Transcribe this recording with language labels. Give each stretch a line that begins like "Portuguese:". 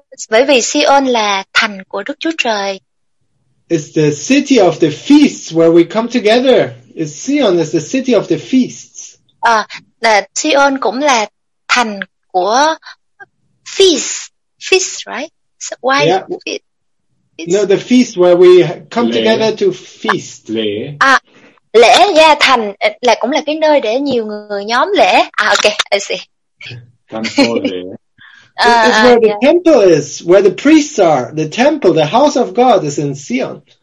Vietnamese: Bởi vì Zion là thành của Đức Chúa Trời.
English: It's the city of the feasts where we come together. Zion is the city of the feasts.
Vietnamese: Zion cũng là thành của feast, right?
English: So why? Yeah. The feast where we come together to feast.
Vietnamese: Lễ, yeah, thành là cũng là cái nơi để nhiều người nhóm lễ.
English: Okay, I see.
Vietnamese: Thành lễ.
English: It's where the temple is, where the priests are. The temple, the house of God, is in Zion.